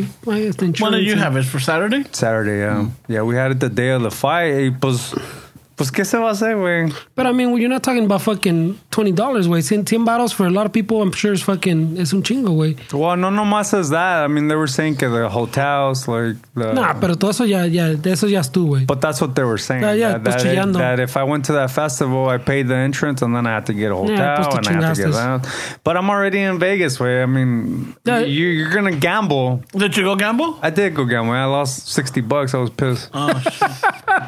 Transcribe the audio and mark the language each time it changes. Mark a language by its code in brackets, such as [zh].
[en] When did you have it for Saturday? Saturday, yeah. Mm. Yeah, we had it the day of the fight. [es] Pues, ¿qué se va a hacer, güey? [en] But I mean, you're not talking about fucking $20, güey. 10 bottles for a lot of people, I'm sure, is fucking, [es] es un chingo, [en] güey. Well, [es] no nomás es [en] that. I mean, they were saying que the hotels, like... [es] Nah, pero todo eso ya, eso ya estuvo, güey. [en] But that's what they were saying. That if I went to that festival, I paid the entrance, and then I had to get a hotel, and I had to get out. But I'm already in Vegas, güey. I mean, you're going to gamble. Did you go gamble? I did go gamble. I lost $60. I was pissed. Oh, shit.